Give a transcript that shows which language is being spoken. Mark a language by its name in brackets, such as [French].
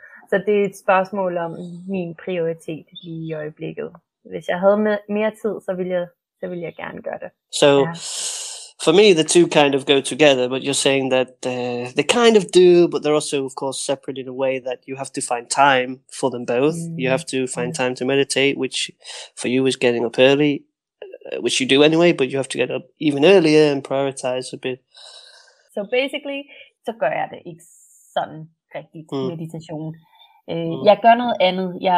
[Danish] Så det er et spørgsmål om min prioritet lige i øjeblikket. Hvis jeg havde mere tid, så ville jeg gerne gøre det. Så... So... Ja. [English] For me, the two kind of go together, but you're saying that they kind of do, but they're also, of course, separate in a way that you have to find time for them both. Mm-hmm. You have to find time to meditate, which for you is getting up early, which you do anyway, but you have to get up even earlier and prioritize a bit. So basically, [Danish] så gør jeg det ikke sådan rigtigt, meditation. Jeg gør noget andet.